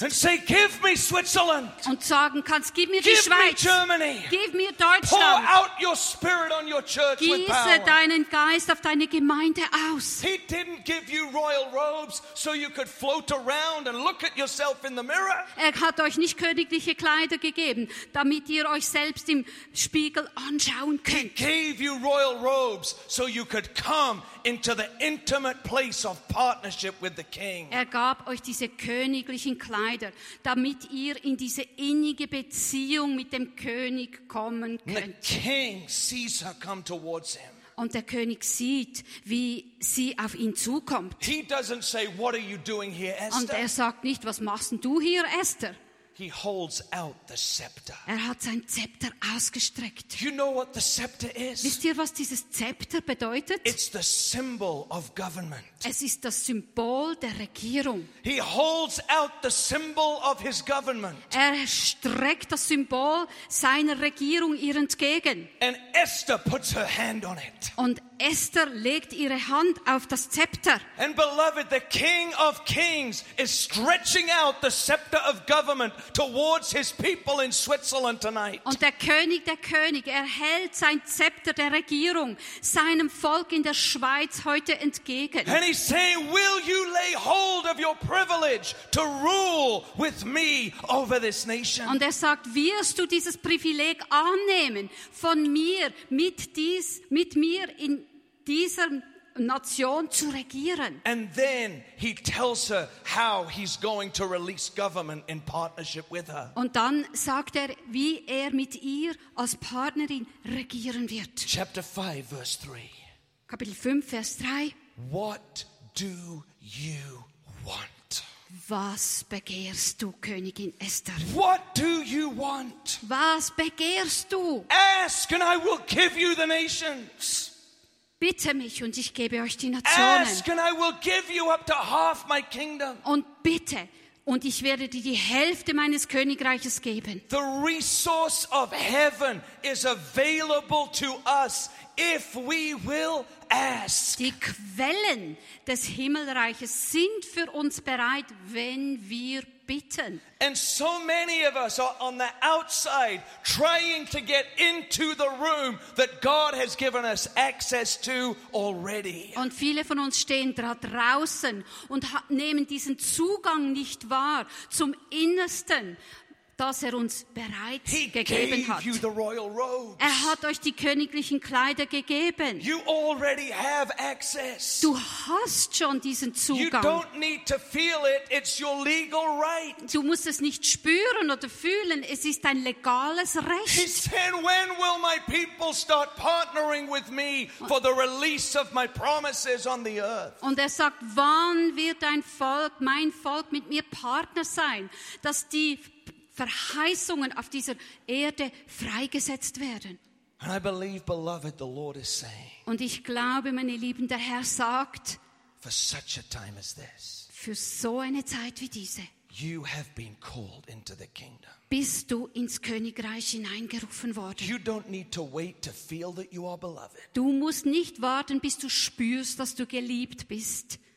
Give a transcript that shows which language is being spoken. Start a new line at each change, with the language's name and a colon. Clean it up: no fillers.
English: And say, give me Switzerland.
German: Und sagen kannst, gib mir
English: give
German: die Schweiz.
English: Me Germany.
German: Gib mir Deutschland.
English: Pour out your spirit on your church
German: gieße
English: with power.
German: Deinen Geist auf deine Gemeinde aus.
English: He didn't give you royal robes so you could float around and look at yourself in the mirror.
German: Er hat euch nicht königliche Kleider gegeben, damit ihr euch selbst im Spiegel anschauen könnt.
English: He gave you royal robes so you could come into the intimate place of partnership with the king.
German: Er gab euch diese königlichen Kleider, damit ihr in diese innige Beziehung mit dem König kommen könnt.
English: The king sees her come towards him.
German: Und der König sieht, wie sie auf ihn zukommt.
English: He doesn't say, "What are you doing here, Esther?"
German: Und er sagt nicht, was machst du hier, Esther?
English: He holds out the scepter.
German: Er hat sein Zepter ausgestreckt.
English: You know what the scepter is?
German: Wisst ihr, was dieses Zepter bedeutet?
English: It's the symbol of government.
German: Es ist das Symbol der Regierung.
English: He holds out the symbol of his government.
German: Er streckt das Symbol seiner Regierung ihr entgegen.
English: And Esther puts her hand on it.
German: Und Esther legt ihre Hand auf das Zepter.
English: And beloved, the King of Kings is stretching out the scepter of government towards his people in Switzerland tonight.
German: Und der König der Könige, er hält sein Zepter der Regierung seinem Volk in der Schweiz heute entgegen.
English: And he's saying, will you lay hold of your privilege to rule with me over this nation?
German: Und er sagt, wirst du dieses Privileg annehmen von mir mit mir in dieser Nation zu regieren.
English: And then he tells her how he's going to release government in partnership with her.
German: Und dann sagt er, wie er mit ihr als Partnerin regieren wird.
English: Chapter 5, verse 3.
German: Kapitel 5, Vers 3.
English: What do you want?
German: Was begehrst du, Königin Esther?
English: What do you want?
German: Was begehrst du?
English: Ask and I will give you the nations.
German: Bitte mich und ich gebe euch die Nationen.
English: Ask and I will give you up to half my kingdom.
German: Und bitte und ich werde dir die Hälfte meines Königreiches geben.
English: The resource of heaven is available to us if we will ask.
German: Die Quellen des Himmelreiches sind für uns bereit, wenn wir bitten.
English: And so many of us are on the outside trying to get into the room that God has given us access to already.
German: Und viele von uns stehen da draußen und nehmen diesen Zugang nicht wahr zum Innersten, das er uns bereits gegeben hat.
English: You the royal robes.
German: Er hat euch die königlichen Kleider gegeben.
English: You already have access.
German: Du hast schon diesen Zugang.
English: You don't need to feel it. It's your legal right.
German: Du musst es nicht spüren oder fühlen. Es ist dein legales Recht.
English: He said, when will my people start partnering with me for the release of my promises on the earth?
German: Und er sagt, wann wird dein Volk, mein Volk, mit mir Partner sein, dass die Verheißungen auf dieser Erde freigesetzt werden.
English: And I believe, beloved, the Lord is saying,
German: und ich glaube, meine Lieben, der Herr sagt,
English: for such a time as this,
German: für so eine Zeit wie diese,
English: you have been called into the kingdom.
German: Bist du ins Königreich hineingerufen worden.
English: You don't need to wait to feel that you are beloved.
German: Du musst nicht warten, bis du spürst, dass du geliebt bist.